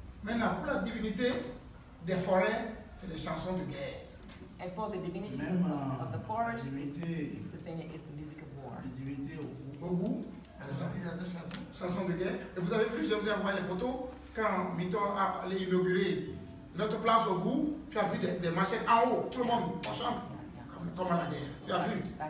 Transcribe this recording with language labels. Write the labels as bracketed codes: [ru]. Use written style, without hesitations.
[fr] Maintenant, pour la divinité des forêts, c'est les chansons de guerre. [en] And for the divinities of the forest, it's the music of war. [fr] Les divinités au bout, il y a des chansons de guerre. Et vous avez vu, je vous ai envoyé les photos, quand Victor a allé inaugurer notre place au bout, tu as vu des machettes en haut, tout le monde, on chante. Comme à la guerre. Tu as vu?